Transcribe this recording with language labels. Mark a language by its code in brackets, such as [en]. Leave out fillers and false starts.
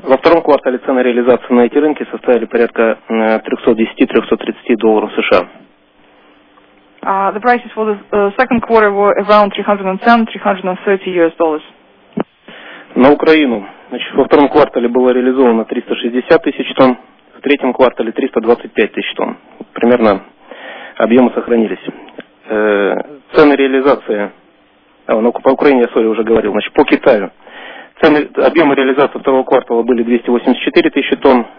[ru] Во втором квартале цены реализации на эти рынки составили порядка 310-330 долларов США. [en] The prices for the second quarter were around 310-330 US dollars. [ru] На Украину. Значит, во втором квартале было реализовано 360 тысяч тонн, в третьем квартале 325 тысяч тонн. Примерно объемы сохранились. Цены реализации... по Украине я, уже говорил. Значит, по Китаю. Цены, объемы реализации второго квартала были 284 тысячи тонн.